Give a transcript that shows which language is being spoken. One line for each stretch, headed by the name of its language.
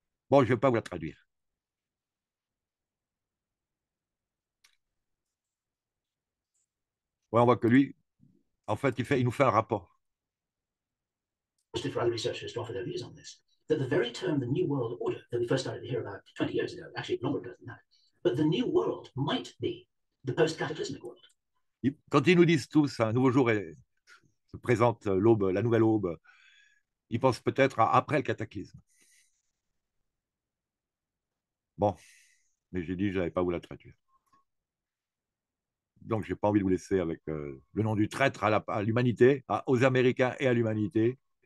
French: Bon, je ne vais pas vous la traduire. Ouais, on voit que lui, En fait, il nous fait un rapport.
English: For other researchers to offer their views on this, that the very term the New World Order that we first started to hear about 20 years ago, actually longer ago than that, but the New World might be the post-cataclysmic world.
French: Quand ils nous disent tous un nouveau jour se présente l'aube, la nouvelle aube, ils pensent peut-être à après le cataclysme. Bon, mais j'ai dit que je n'avais pas voulu la traduire. Donc je n'ai pas envie de vous laisser avec le nom du traître à l'humanité, aux Américains et à l'humanité.